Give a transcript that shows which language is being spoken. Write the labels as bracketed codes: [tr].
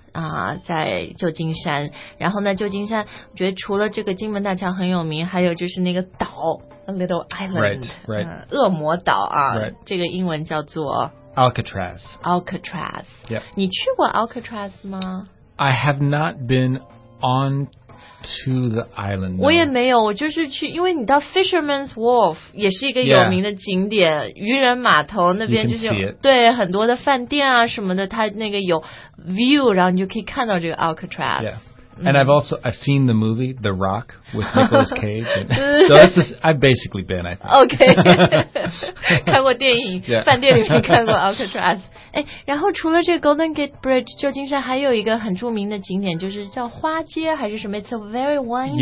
[zh] 啊，在旧金山，然后呢，旧金山，我觉得除了这个金门大桥很有名，还有就是那个岛 ，A Little Island， [en] right, [zh] 恶魔岛啊， [en] right. [zh] 这个英文叫做 [en] Alcatraz。 Alcatraz， yep， [zh] 你去过 Alcatraz 吗 [en] ？I have not been on to the island、no.。 [zh] 我也没有，我就是去，因为你到 Fisherman's Wharf 也是一个有名的景点，渔人码头那边就是对很多的饭店啊什么的，它那个有。 View, 然后你就可以看到这个 Alcatraz. [en] Yeah, and I've seen the movie The Rock with Nicolas Cage. And, so that's just, I've basically been. I think. Okay, [zh] 看过电影， [en] yeah. [zh] 饭店里面看过 Alcatraz. 哎，然后除了这个 Golden Gate Bridge， 旧金山还有一个很著名的景点，就是叫花街还是什么 ？ [en] It's a very windy.